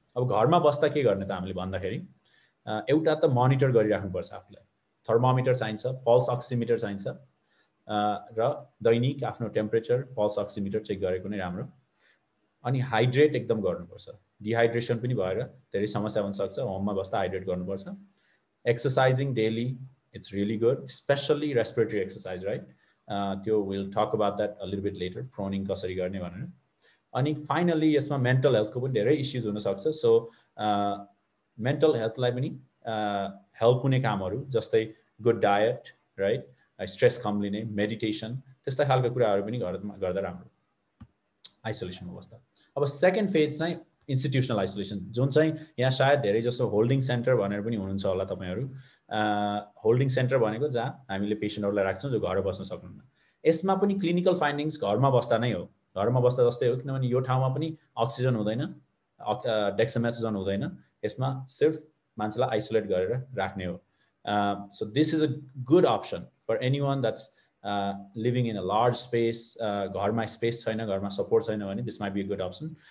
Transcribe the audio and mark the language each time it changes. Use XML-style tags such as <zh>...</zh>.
<ne>अब घरमा बस्दा के गर्ने त हामीले भन्दाखेरि, एउटा त मोनिटर गरिराख्नुपर्छ आफूलाई, थर्मोमिटर चाहिन्छ, पल्स अक्सिमिटर चाहिन्छ, र दैनिक आफ्नो टेम्परेचर पल्स अक्सिमिटर चेक गरेको नै राम्रो. अनि हाइड्रेट एकदम गर्नुपर्छ. डिहाइड्रेसन पनि भएर धेरै समस्या हुनसक्छ, होममा बस्दा हाइड्रेट गर्नुपर्छ.</ne> <en>Exercising daily it's really good, specially respiratory exercise, right? त्यो will talk about that a little bit later,</en> <ne>प्रोनिङ कसरी गर्ने भनेर. अनि फाइनल्ली यसमा मेन्टल हेल्थको पनि धेरै इस्युज हुनसक्छ. सो मेन्टल हेल्थलाई पनि हेल्प हुने कामहरू जस्तै गुड डायट, राइट, स्ट्रेस कम लिने, मेडिटेसन, त्यस्ता खालको कुराहरू पनि घरमा गर्दा राम्रो आइसोलेसनमा बस्दा. अब सेकेन्ड फेज चाहिँ इन्स्टिट्युसनल आइसोलेसन, जुन चाहिँ यहाँ सायद धेरै जस्तो होल्डिङ सेन्टर भनेर पनि हुनुहुन्छ होला तपाईँहरू. होल्डिङ सेन्टर भनेको जहाँ हामीले पेसेन्टहरूलाई राख्छौँ जो घर बस्न सक्नुहुन्न. यसमा पनि क्लिनिकल फाइन्डिङ्स घरमा बस्दा नै हो, घरमा बस्दा जस्तै हो, किनभने यो ठाउँमा पनि अक्सिजन हुँदैन, डेक्सामेथासोन हुँदैन, यसमा सिर्फ मान्छेलाई आइसोलेट गरेर राख्ने हो.</ne> <en>so this is a good option for anyone that's living in a large space,</en> <ne>gharma space chaina, gharma support chaina bhane</ne> <en>this might be a good option.</en>